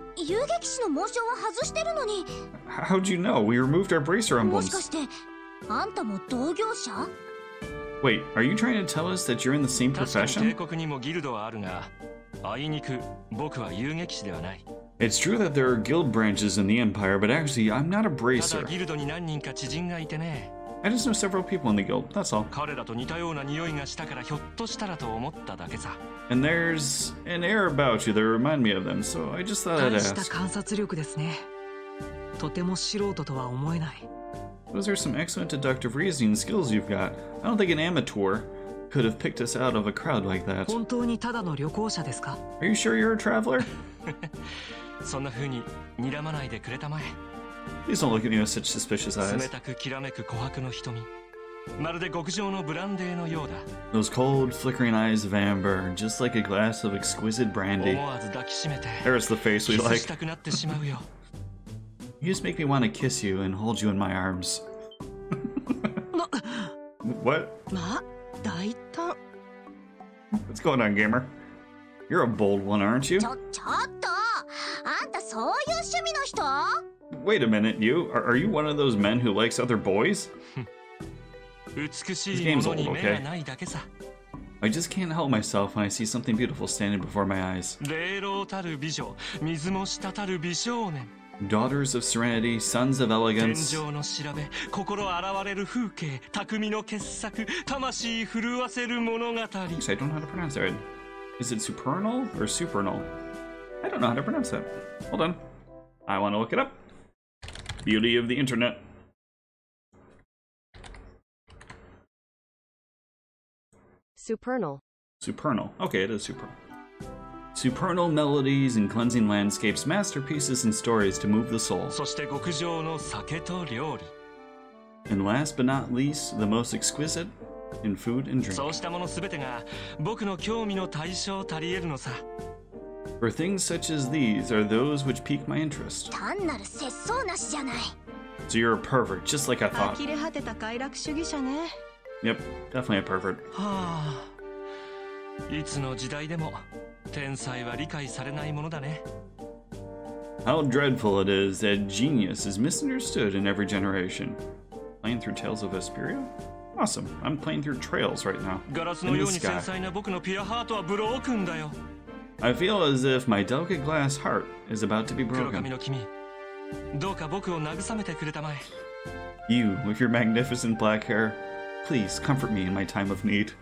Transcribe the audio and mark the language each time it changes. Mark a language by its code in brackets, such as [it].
[ja] 遊撃士の紋章は外してるのに。 [en] How'd you know? We removed our bracer emblems. [ja] もしかしてあんたも同業者? [en] Wait, are you trying to tell us that you're in the same profession? [ja] 確かに帝国にもギルドはあるが、あいにく僕は遊撃士ではない。 [en] It's true that there are guild branches in the Empire, but actually I'm not a bracer. [ja] ただギルドに何人か知人がいてね。 [en] I just know several people in the guild, that's all. [ja] 彼らと似たような匂いがしたからひょっとしたらと思っただけさ。 [en] And there's an air about you that remind me of them, so I just thought I'd ask. [ja] 大した観察力ですね。とても素人とは思えない。 [en] Those are some excellent deductive reasoning skills you've got. I don't think an amateur could have picked us out of a crowd like that. [ja] 本当にただの旅行者ですか? [en] Are you sure you're a traveler? [ja] そんな風に睨まないでくれたまえ。 [en] Please don't look at me with such suspicious eyes. [ja] 冷たくきらめく琥珀の瞳。まるで極上のブランデーのようだ。 [en] Those cold, flickering eyes of amber, just like a glass of exquisite brandy. [ja] 思わず抱きしめて。 [en] There's the face we like. [ja] キスしたくなってしまうよ。 [en] You just make me want to kiss you and hold you in my arms. [ja] ま、 [en] What? [ja] ま、大胆。 [en] What's going on, gamer? You're a bold one, aren't you? [ja] ちょっと、あんたそういう趣味の人？ [en] Wait a minute, you? Are you one of those men who likes other boys? [ja] 美しいものに目がないだけさ。 [en] I just can't help myself when I see something beautiful standing before my eyes. [ja] 霊老たる美女、水も滴る美少年。 [en] Daughters of serenity, sons of elegance. [ja] 天井の調べ、心現れる風景、匠の傑作、魂震わせる物語。 [en] Actually, I don't know how to pronounce that. Is it supernal or supernal? I don't know how to pronounce that. Hold on. I want to look it up. Beauty of the internet. Supernal. Supernal. Okay, it is supernal. Supernal melodies and cleansing landscapes, masterpieces and stories to move the soul. [ja] そして極上の酒と料理。 [en] And last but not least, the most exquisite in food and drink. [ja] そうしたものすべてが僕の興味の対象たりえるのさ。 [en] For things such as these are those which pique my interest. [ja] 単なる節操なしじゃない。 [en] So you're a pervert, just like I thought. [ja] 呆れ果てた快楽主義者ね。 [en] Yep, definitely a pervert. [ja] いつの時代でも天才は理解されないものだね。 [en] How dreadful it is that genius is misunderstood in every generation. Playing through Tales of Vesperia? Awesome, I'm playing through Trails right now. [ja] ガラスのように繊細な僕のピュアハートはブロークンだよ。 [en] I feel as if my delicate glass heart is about to be broken. [ja] 黒髪の君、どうか僕を慰めてくれたまえ。 [en] You, with your magnificent black hair, please comfort me in my time of need.